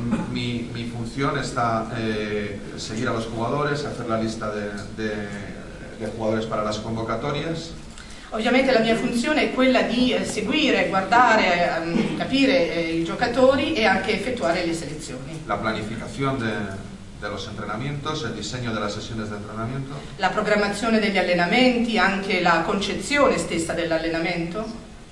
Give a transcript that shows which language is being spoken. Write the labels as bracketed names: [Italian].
[Italian] Mi funzione sta seguire [Spanish] a los jugadores, hacer la lista de jugadores para las convocatorias. [Italian] Ovviamente la mia funzione è quella di seguire, guardare, capire i giocatori e anche effettuare le selezioni. [Spanish] La planificazione de los entrenamientos, el diseño de las sesiones de entrenamiento. [Italian] La programmazione degli allenamenti, anche la concezione stessa dell'allenamento.